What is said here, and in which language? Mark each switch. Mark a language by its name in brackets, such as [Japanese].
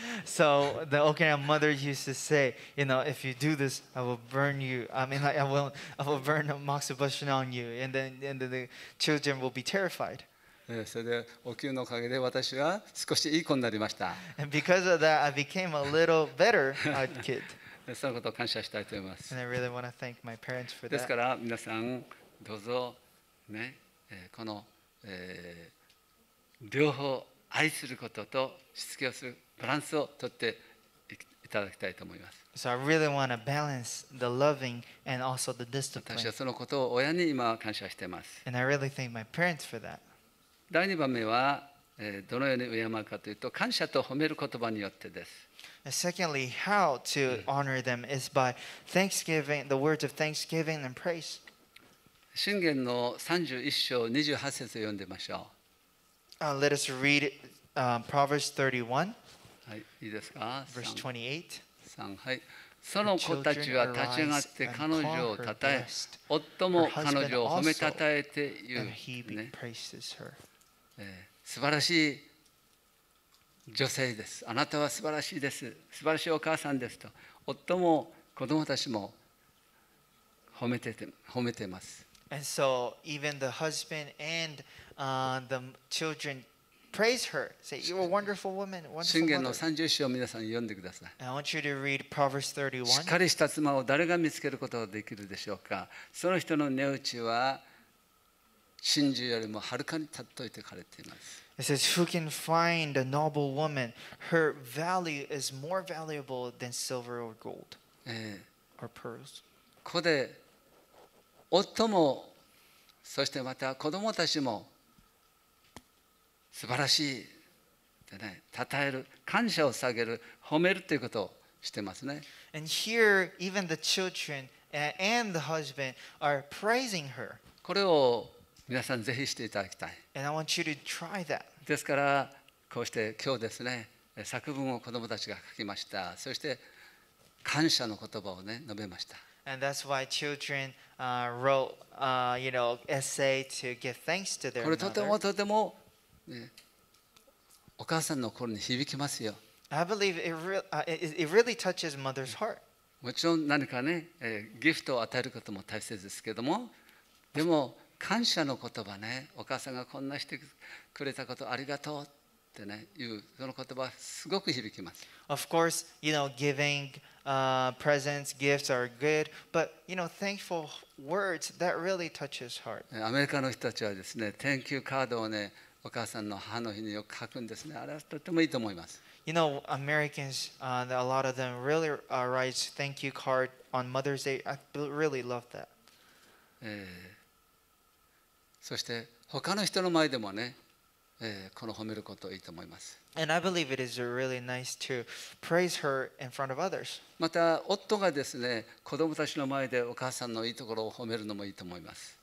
[English] So the Okinawan mother used to say, you know, if you do this, I will burn you. I will burn a moxibustion on you, and then the children will be terrified. [Japanese] それでお灸のおかげで私は少しいい子になりました。 [English] And because of that, I became a little better kid. [Japanese] そのことを感謝したいと思います。 [English] And I really want to thank my parents for that. [Japanese] ですから皆さんどうぞ、ね、この、両方愛することとしつけをするバランスをとっていただきたいと思います。 [English] So I really want to balance the loving and also the discipline. [Japanese] 私はそのことを親に今感謝しています。 [English] And I really thank my parents for that. [Japanese] 第二番目はどのように敬うかというと、感謝と褒める言葉によってです。 [English] Secondly, how to honor them is by thanksgiving, the words of thanksgiving and praise. [Japanese] 箴言の31章28節を読んでましょう。 [English] Let us read Proverbs 31. [Japanese] はい、いいですか。 [English] Verse 28. [Japanese] はい、その子たちは立ち上がって彼女をたたえ、夫も彼女を褒めたたえて言う、ね、素晴らしい女性です、あなたは素晴らしいです、素晴らしいお母さんですと、夫も子供たちも褒めてます。 [English] And so even the husband and the childrenPraise her. Say, "You're a wonderful woman." [Japanese] 箴言の三十章を皆さん読んでください。 [English] I want you to read Proverbs 31. [Japanese] しっかりした妻を誰が見つけることができるでしょうか。その人の値打ちは真珠よりもはるかに尊いと書かれています。 [English] It says, "Who can find a noble woman? Her value is more valuable than silver or gold or pearls." [Japanese] ここで夫もそしてまた子供たちも素晴らしいってね、称える、感謝を下げる、褒めるということをしてますね。 [English] And here, even the children and the husband are praising her. [Japanese] これを皆さんぜひしていただきたい。 [English] And I want you to try that. [Japanese] ですから、こうして今日ですね、作文を子どもたちが書きました。そして感謝の言葉をね、述べました。 [English] And that's why children wrote, you know, essay to give thanks to their mother. [Japanese] これとてもとてもね、お母さんの心に響きますよ。 [English] I believe it really touches mother's heart. [Japanese] もちろん何かね、ギフトを与えることも大切ですけれども、でも感謝の言葉ね、お母さんがこんなしてくれたことありがとうってね、いうその言葉すごく響きます。 [English] Of course, you know, giving presents, gifts are good, but you know, thankful words that really touches heart. [Japanese] アメリカの人たちはですね、Thank you カードをね。お母さんの母の日によく書くんですね。あれはとてもいいと思います。 [English] You know, Americans, a lot of them really write thank you card on Mother's Day. I really love that. [Japanese] そして他の人の前でもね、この褒めることいいと思います。 [English] And I believe it is really nice to praise her in front of others. [Japanese] また夫がですね、子供たちの前でお母さんのいいところを褒めるのもいいと思います。